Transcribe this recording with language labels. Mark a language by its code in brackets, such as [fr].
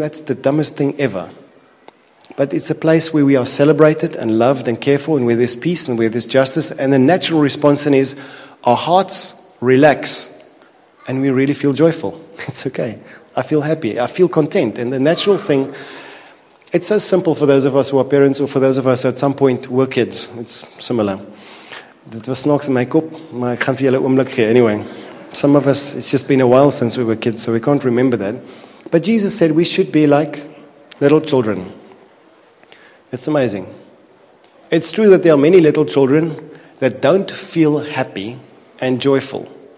[en] That's the dumbest thing ever. But it's a place where we are celebrated and loved and cared for, and where there's peace and where there's justice. And the natural response then is our hearts relax and we really feel joyful. It's okay. I feel happy. I feel content. And the natural thing, it's so simple for those of us who are parents or for those of us who at some point were kids. It's similar. [af] Dit was snaaks in my kop, maar ek gaan vir julle 'n oomblik gee. [en] Anyway, some of us, it's just been a while since we were kids, so we can't remember that. But Jesus said we should be like little children. It's amazing. It's true that there are many little children that don't feel happy and joyful.